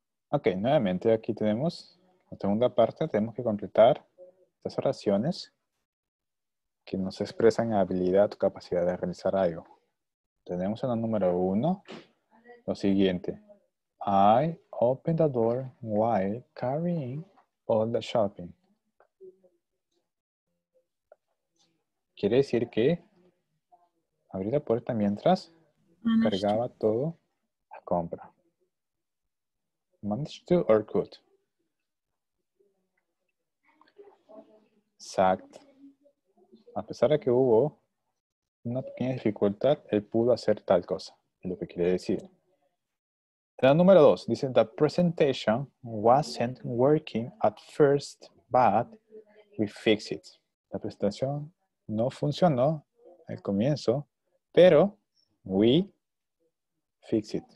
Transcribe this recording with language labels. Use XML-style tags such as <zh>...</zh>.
<es>Ok, nuevamente aquí tenemos la segunda parte. Tenemos que completar estas oraciones que nos expresan habilidad o capacidad de realizar algo. Tenemos en el número 1 lo siguiente. I</es> <en>opened the door while carrying all the shopping.</en> <es>Quiere decir que abrí la puerta mientras cargaba todo la compra.</es> <en>Managed to or could.</en> <es>Exacto. A pesar de que hubo una pequeña dificultad, él pudo hacer tal cosa. Es lo que quiere decir. La número dos. Dice,</es> <en>the presentation wasn't working at first, but we fixed it.</en> <es>La presentación no funcionó al comienzo, pero</es> <en>we fixed it.</en>